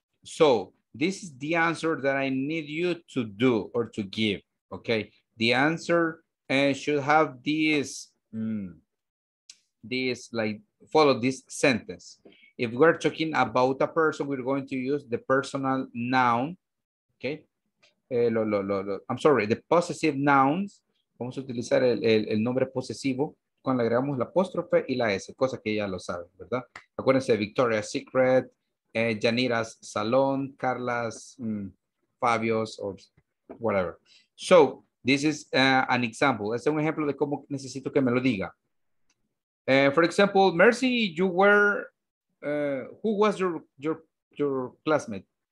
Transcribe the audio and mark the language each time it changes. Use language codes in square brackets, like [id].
[en] So this is the answer that I need you to do or to give. Okay, the answer should have this like follow this sentence. If we're talking about a person, we're going to use the personal noun. Okay. I'm sorry, the possessive nouns. [es] Vamos a utilizar el nombre posesivo cuando le agregamos la apóstrofe y la S, cosa que ya lo saben, ¿verdad? Acuérdense, [en] Victoria's Secret, Janira's Salón, Carla's, Fabio's, or whatever. So, This is an example. [es] Es un ejemplo de cómo necesito que me lo diga. [en] For example, Mercy, you were, who was your classmate?